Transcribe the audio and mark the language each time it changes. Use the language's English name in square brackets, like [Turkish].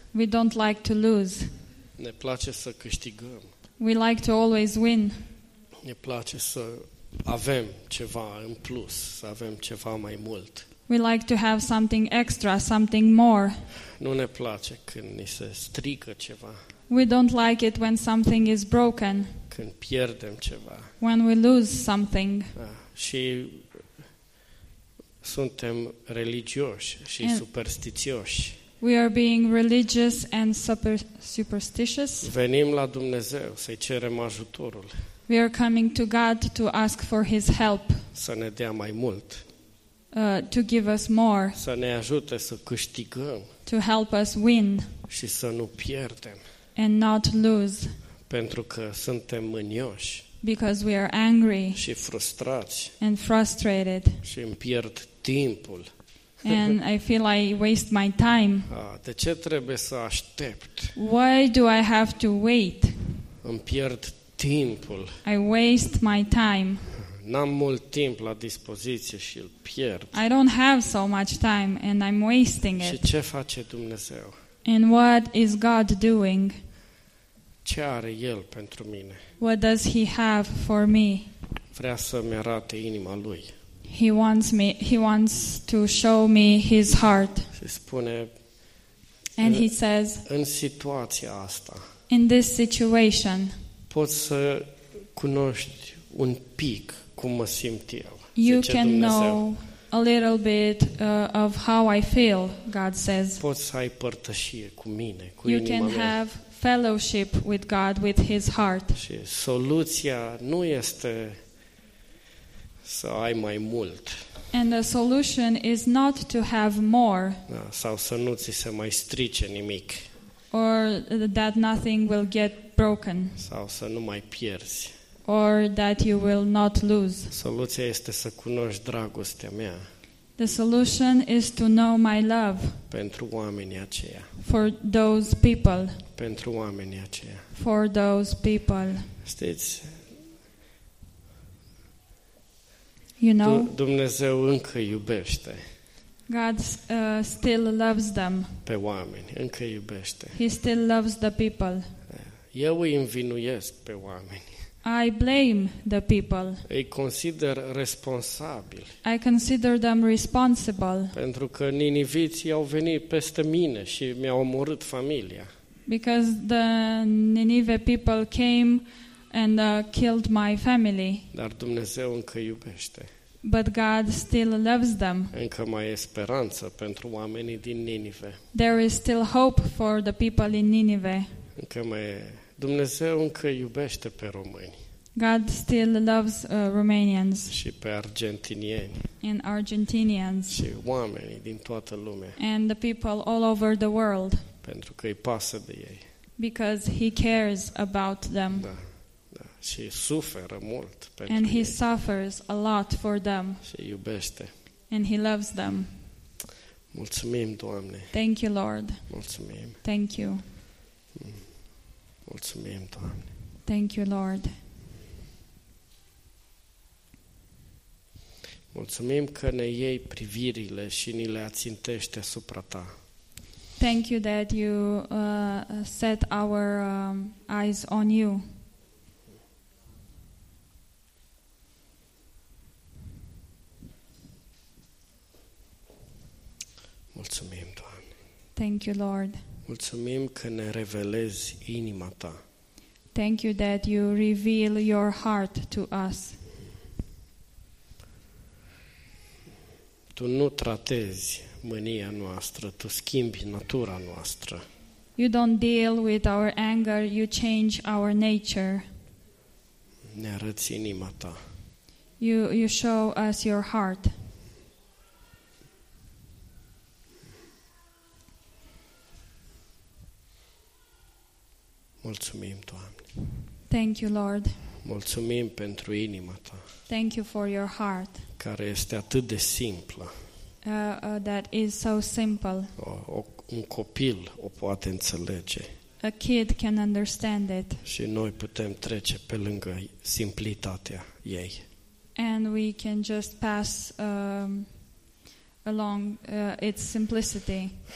[English] We don't like to lose. [Romanian] Ne place să câștigăm. [English] We like to always win. [Romanian] Ne place să avem ceva în plus, să avem ceva mai mult. [English] We like to have something extra, something more. [Romanian] Nu ne place când ni se strică ceva. [English] We don't like it when something is broken. [Romanian] Când pierdem ceva. [English] When we lose something. [Romanian] Și suntem religioși și superstițioși. [English] We are being religious and superstitious. [Romanian] Venim la Dumnezeu să-i cerem ajutorul. [English] We are coming to God to ask for his help. [Romanian] Să ne dea mai mult. [English] To give us more. [Romanian] Să ne ajute să câștigăm. [English] To help us win. [Romanian] Și să nu pierdem. [English] And not lose. [Romanian] Pentru că suntem mânioși. [English] Because we are angry. [Romanian] Și frustrați. [English] And frustrated. [Romanian] Și îmi pierd timpul. [English] And I feel I waste my time. [Romanian] De ce trebuie să aștept? [English] Why do I have to wait? [Romanian] Îmi pierd timpul. [English] I waste my time. [Romanian] N-am mult timp la dispoziție și îl pierd. [English] I don't have so much time and I'm wasting it. [Romanian] Și ce face Dumnezeu? [English] And what is God doing? [Romanian] Ce are el pentru mine? [English] What does he have for me? [Romanian] Vrea să-mi arate inima lui. [English] He wants to show me his heart. [Romanian] Se spune, [English] and he says, [Romanian] în situația asta, [English] in this situation, [Romanian] poți să cunoști un pic cum mă simt eu. [English] You can [Romanian] Dumnezeu. [English] Know a little bit of how I feel, God says. [Romanian] Poți să ai părtășie cu mine, cu [English] you [Romanian] inima [English] can [Romanian] mea. [English] Have fellowship with God, with his heart. [Romanian] Și soluția nu este să ai mai mult. [English] And the solution is not to have more. [Romanian] Da, sau să nu ți se mai strice nimic. [English] Or that nothing will get broken. [Romanian] Sau să nu mai pierzi. [English] Or that you will not lose. [Romanian] Soluția este să cunoști dragostea mea. [English] The solution is to know my love. [Romanian] Pentru oamenii aceia. [English] For those people. [Romanian] Pentru oamenii aceia. [English] For those people. [Romanian] Știți? [English] You know? [Romanian] Dumnezeu încă iubește. [English] God still loves them. [Romanian] Pe oameni, încă iubește. [English] He still loves the people. [Romanian] Eu îi învinuiesc pe oameni. [English] I blame the people. [Romanian] Îi consider responsabil. [English] I consider them responsible. [Romanian] Pentru că niniviții au venit peste mine și mi-au omorât familia. [English] Because the Ninive people came and killed my family. [Romanian] Dar Dumnezeu încă iubește. [English] But God still loves them. [Romanian] Încă mai e speranță pentru oamenii din Ninive. [English] There is still hope for the people in Ninive. [Romanian] Încă mai e. Dumnezeu încă iubește pe români. [English] God still loves Romanians. [Romanian] Și pe argentinieni. [English] And Argentinians. [Romanian] Și oamenii din toată lumea. [English] And the people all over the world. [Romanian] Pentru că îi pasă de ei. [English] Because he cares about them. [Romanian] Da. Da. Și suferă mult pentru ei. [English] And he [Romanian] ei. [English] Suffers a lot for them. [Romanian] Și iubește. [English] And he loves them. [Romanian] Mulțumim, Doamne. [English] Thank you, Lord. [Romanian] Mulțumim. [English] Thank you. [Romanian] Mulțumim, Doamne. [English] Thank you, Lord. [Romanian] Mulțumim că ne iei privirile și ni le ațintești asupra ta. [English] Thank you that you set our eyes on you. [Romanian] Mulțumim, Doamne. [English] Thank you, Lord. [Romanian] Mulțumim că ne revelezi inima ta. [English] Thank you that you reveal your heart to us. [Romanian] Tu nu tratezi mânia noastră, tu schimbi natura noastră. [English] You don't deal with our anger, you change our nature. [Romanian] Ne arăți inima ta. [English] You show us your heart. [Romanian] Mulțumim, Doamne. [English] Thank you, Lord. [Romanian] Mulțumim pentru inima ta. [English] Thank you for your heart. [Romanian] Care este atât de simplă. [English] That is so simple. [Romanian] Un copil o poate înțelege. [English] A kid can understand it. [Romanian] Și noi putem trece pe lângă simplitatea ei. [English] And we can just pass along its simplicity.